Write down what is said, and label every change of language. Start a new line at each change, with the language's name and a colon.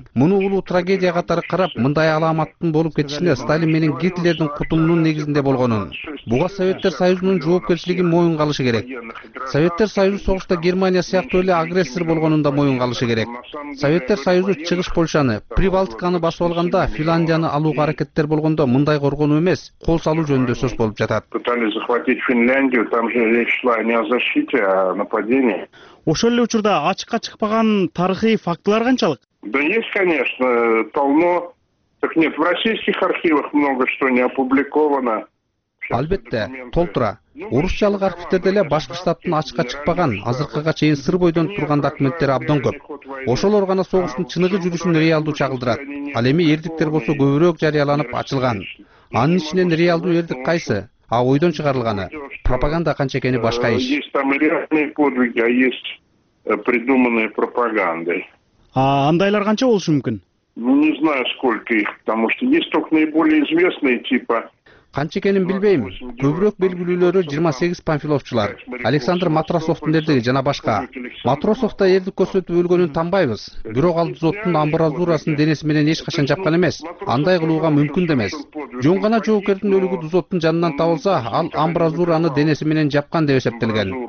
Kyrgyz: Муну улуу трагедия катары карап, мындай алааматтын болуп кетишине Сталин менен Гитлердин кутумунун негизинде болгонун, буга Советтер Союзунун жоопкерчилигин моюнгалышы керек. Советтер Союзу согушта Германия сыяктуу эле агрессор болгонун да моюнгалышы керек. Советтер Союзу Чыгыш Польшаны, Прибалтиканы басып алганда, Финляндияны алууга аракеттер болгондо мындай коргонуу эмес, кол салуу жөнүндө сөз болуп жатат.
Russian: Пытались захватить Финляндию, там же речь шла не о защите, а о нападении.
Kyrgyz: Ошол эле учурда ачыкка чыкпаган тарыхый фактылар канчалык?
Russian: Да есть, конечно, полно. Так нет, в российских архивах много что не опубликовано.
Kyrgyz: Албетте, толтура. Орусчалык архивдерде эле башкы штаттын ачыкка чыкпаган, азыркыга чейин сыр бойдон турган документтери абдан көп. Ошолор гана согуштун чыныгы жүрүшүн реалдуу чагылдырат. Ал эми эрдиктер болсо көбүрөөк жарыяланып ачылган. Анын ичинен реалдуу эрдик кайсы? А ойдон чыгарылганы, пропаганда канча экени башка иш.
Russian: Есть там реальные подвиги, а есть придуманные пропагандой.
Kyrgyz: А андайлар канча болушу мүмкүн?
Russian: Ну не знаю сколько их, потому что есть только наиболее известные типа.
Kyrgyz: Канча экенин билбейм. Көбүрөөк белгилүүлөрү 28 Панфиловчулар, Александр Матросовдун эрдиги жана башка. Матросовдо эрдик көрсөтүп өлгөнүн танбайбыз. Бирок ал взводтун амбразурасын денеси менен эч качан жапкан эмес. Андай кылууга мүмкүн да эмес. Жөн гана жоокердин өлүгү взводтун жанынан табылса, ал амбразураны денеси менен жапкан деп эсептелген.